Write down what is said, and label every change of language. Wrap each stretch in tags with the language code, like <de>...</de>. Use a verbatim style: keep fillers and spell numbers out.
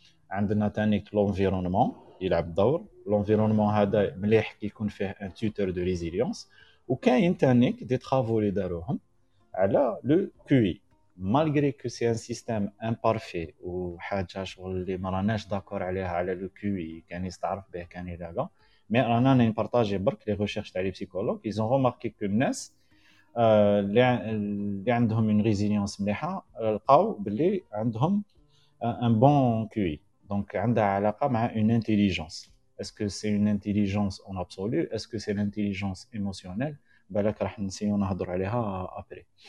<ar>عندنا تانيك l'environnement يلعب دور. l'environnement هذا مليح كي يكون فيه un tuteur de résilience. وكاين تانيك دي travaux اللي داروهم على le كيو آي. Malgré que c'est un système imparfait ou حاجة شغل اللي ما راناش داكور عليها على le كيو آي كان يستعرف به كان يلاقا.</ar> <fr>Mais on a partagé les recherches des psychologues. Ils ont remarqué que les gens qui ont une résilience مليحة لقاو بلي عندهم un bon كيو آي.</fr> <ar>Donc, عندها علاقة مع une intelligence.</ar> <fr>Est-ce que c'est une intelligence en absolu? Est-ce que c'est l'intelligence émotionnelle?</fr> <ar>بالك راح نسيو نهضر عليها après.</ar>